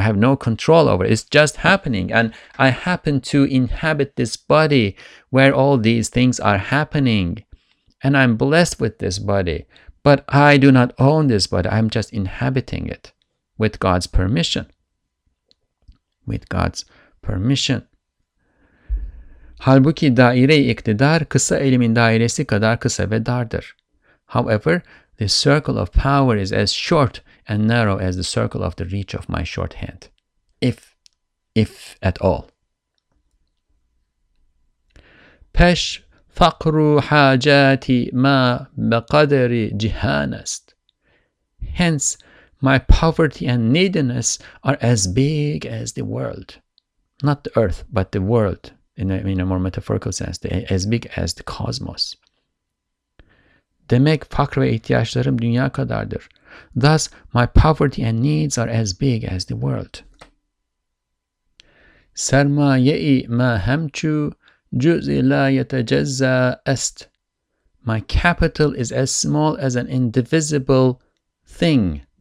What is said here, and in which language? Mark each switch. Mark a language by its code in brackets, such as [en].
[en] I have no control over it. It's just happening. And I happen to inhabit this body where all these things are happening. And I'm blessed with this body, but I do not own this body. I'm just inhabiting it with God's permission. With God's permission. [tr] Halbuki daire-i iktidar kısa elimin dairesi kadar kısa ve dardır. [en] However, the circle of power is as short and narrow as the circle of the reach of my short hand. If at all. [fa] Peş فَقْرُ حَاجَاتِ مَا بَقَدَرِ جِهَانَسْتِ. [en] Hence, my poverty and neediness are as big as the world. Not the earth, but the world, in a more metaphorical sense, as big as the cosmos. [tr] Demek fakr ve ihtiyaçlarım dünya kadardır. [en] Thus, my poverty and needs are as big as the world. [fa] سَرْمَايَئِ مَا هَمْچُو جُزِ لَا يَتَجَزَّى أَسْتْ. [en] My capital is as small as an indivisible thing.